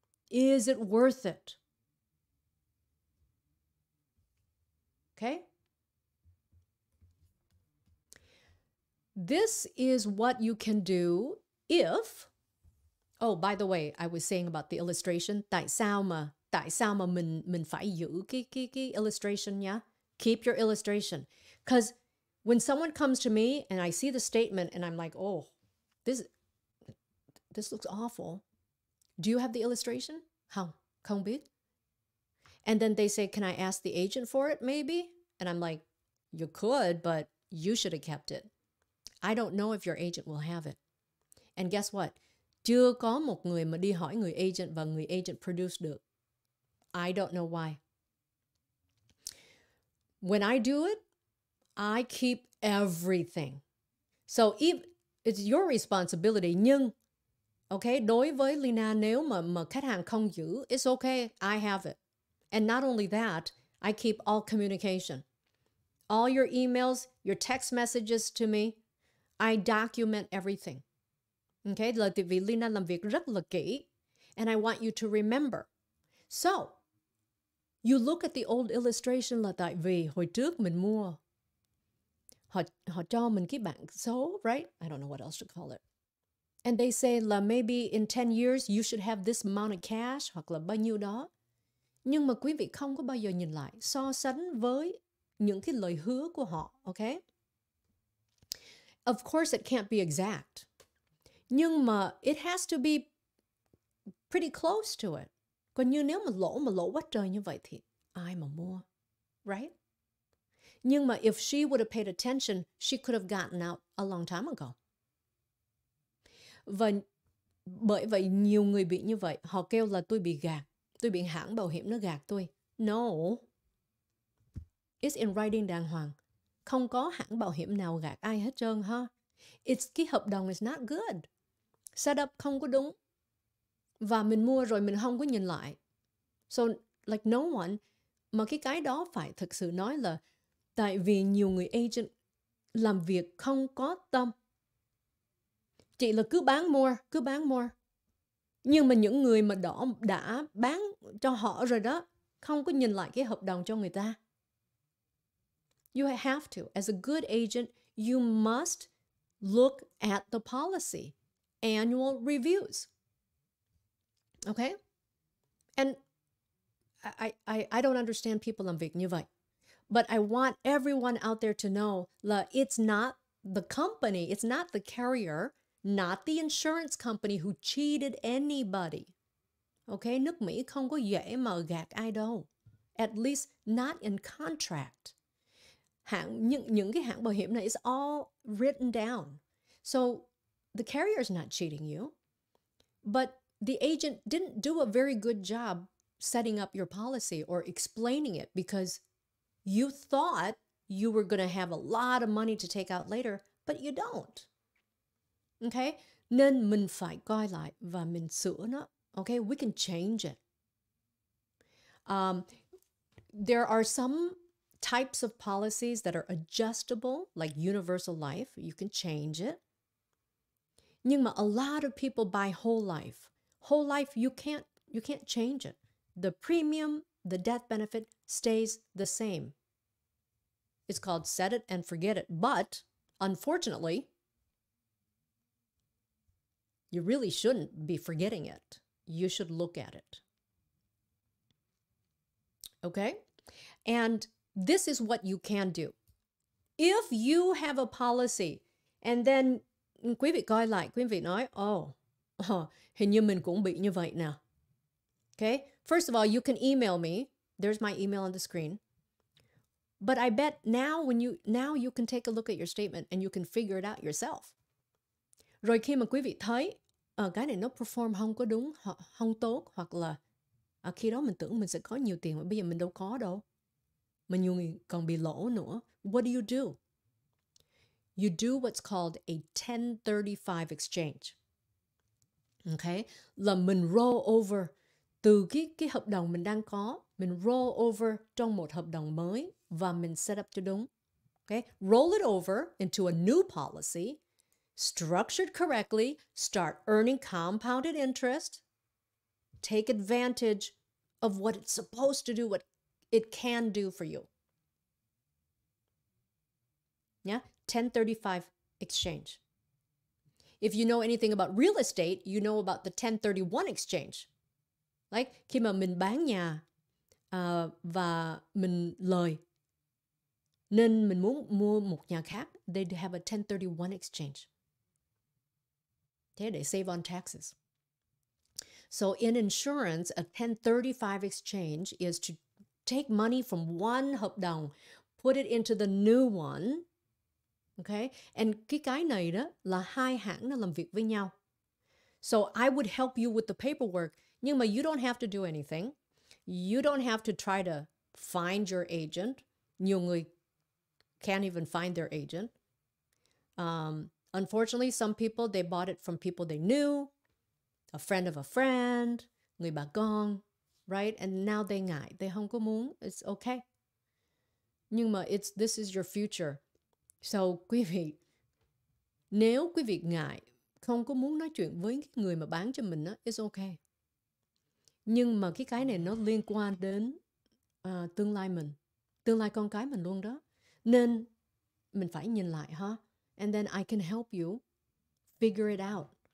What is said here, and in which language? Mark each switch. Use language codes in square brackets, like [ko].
[en] Is it worth it? Okay? This is what you can do if, oh, by the way, I was saying about the illustration. [vi] Tại sao mà mình phải giữ cái illustration nha? [en] Keep your illustration. Because when someone comes to me and I see the statement and I'm like, oh, this looks awful. Do you have the illustration? How? [vi] Không biết. [en] And then they say, can I ask the agent for it maybe? And I'm like, you could, but you should have kept it. I don't know if your agent will have it. And guess what? [vi] Chưa có một người mà đi hỏi người agent và người agent produce được. [en] I don't know why. When I do it, I keep everything. So it's your responsibility. [vi] Nhưng, okay, đối với Leyna, nếu mà khách hàng không giữ, [en] it's okay, I have it. And not only that, I keep all communication. All your emails, your text messages to me, I document everything. [vi] Okay, là tại vì Leyna làm việc rất là kỹ, [en] and I want you to remember. So, you look at the old illustration [vi] là tại vì hồi trước mình mua, họ cho mình cái bản số, right? [en] I don't know what else to call it. And they say là maybe in 10 years, you should have this amount of cash, [vi] hoặc là bao nhiêu đó. Nhưng mà quý vị không có bao giờ nhìn lại so sánh với những cái lời hứa của họ, okay? [en] Of course, it can't be exact. [vi] Nhưng mà [en] it has to be pretty close to it. [vi] Còn như nếu mà lỗ quá trời như vậy thì ai mà mua, right? Nhưng mà [en] if she would have paid attention, she could have gotten out a long time ago. [vi] Và bởi vậy nhiều người bị như vậy, họ kêu là tôi bị gạt, tôi bị hãng bảo hiểm nó gạt tôi. [en] No, it's in writing [vi] đàng hoàng. Không có hãng bảo hiểm nào gạt ai hết trơn, ha. [en] It's [vi] cái hợp đồng [en] is not good. [vi] Setup không có đúng. Và mình mua rồi mình không có nhìn lại. So, like no one. Mà cái đó phải thực sự nói là tại vì nhiều người agent làm việc không có tâm. Chị là cứ bán [en] more. [vi] Nhưng mà những người mà đã bán cho họ rồi đó, không có nhìn lại cái hợp đồng cho người ta. [en] You have to. As a good agent, you must look at the policy. Annual reviews. Okay? And I don't understand people [vi] làm việc như vậy. [en] But I want everyone out there to know [vi] là [en] it's not the company, it's not the carrier, not the insurance company who cheated anybody. Okay? [vi] Nước Mỹ không có dễ mà gạt ai đâu. [en] At least not in contract. [vi] Những cái hãng bảo hiểm này [en] is all written down. So the carrier is not cheating you. But the agent didn't do a very good job setting up your policy or explaining it because you thought you were going to have a lot of money to take out later, but you don't. Okay? [vi] Nên mình phải coi lại và mình sửa nó. [en] Okay? We can change it. There are some types of policies that are adjustable, like universal life. You can change it. [vi] Nhưng mà [en] a lot of people buy whole life. Whole life, you can't change it. The premium, the death benefit stays the same. It's called set it and forget it. But unfortunately, you really shouldn't be forgetting it. You should look at it. Okay? And this is what you can do. If you have a policy and then [vi] quý vị coi lại, quý vị nói, oh, hình như mình cũng bị như vậy nè. [en] Okay? First of all, you can email me. There's my email on the screen. But I bet now you can take a look at your statement and you can figure it out yourself. [vi] Rồi khi mà quý vị thấy, cái này nó perform không có đúng, không tốt, hoặc là khi đó mình tưởng mình sẽ có nhiều tiền, mà bây giờ mình đâu có đâu. Mình nhiều người còn bị lỗ nữa. [en] What do you do? You do what's called a 1035 exchange. Okay? [vi] Là mình roll over từ cái hợp đồng mình đang có, mình roll over trong một hợp đồng mới và mình set up cho đúng. [en] Okay? Roll it over into a new policy, structured correctly, start earning compounded interest, take advantage of what it's supposed to do, what it can do for you. Yeah? 1035 exchange. If you know anything about real estate, you know about the 1031 exchange. [vi] Like, khi mà mình bán nhà và mình lời, nên mình muốn mua một nhà khác, [en] they have a 1031 exchange. [vi] Thế để [en] save on taxes. So in insurance, a 1035 exchange is to take money from one hợp đồng, put it into the new one. [vi] Okay, and cái này đó là hai hãng nó làm việc với nhau. [en] So I would help you with the paperwork, [vi] nhưng mà [en] you don't have to do anything. You don't have to try to find your agent. [vi] Nhiều người [en] can't even find their agent. Unfortunately, some people, they bought it from people they knew, a friend of a friend, [vi] người bà con, [en] right? And now they ngại, they [vi] không có muốn, [en] it's okay. [vi] Nhưng mà [en] this is your future. [vi] So quý vị, nếu quý vị ngại, không có muốn nói chuyện với người mà bán cho mình, [en] it's okay. [vi] Nhưng mà cái này nó liên quan đến tương lai mình, tương lai con cái mình luôn đó. Nên mình phải nhìn lại, huh? [en] And then I can help you figure it out.